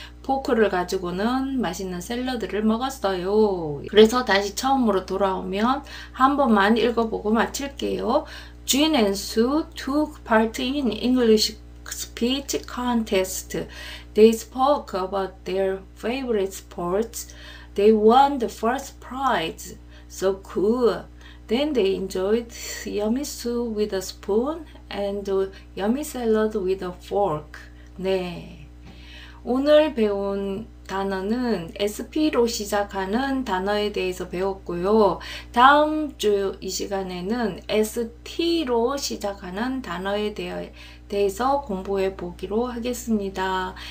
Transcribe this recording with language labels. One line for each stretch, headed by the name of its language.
Korean: 포크를 가지고는 맛있는 샐러드를 먹었어요. 그래서 다시 처음으로 돌아오면 한 번만 읽어보고 마칠게요.
English: Jean and Sue took part in English speech contest. They spoke about their favorite sports. They won the first prize. So cool. Then they enjoyed yummy soup with a spoon and yummy salad with a fork.
Korean: 네. 오늘 배운 단어는 SP로 시작하는 단어에 대해서 배웠고요. 다음 주 이 시간에는 ST로 시작하는 단어에 대해서 공부해 보기로 하겠습니다.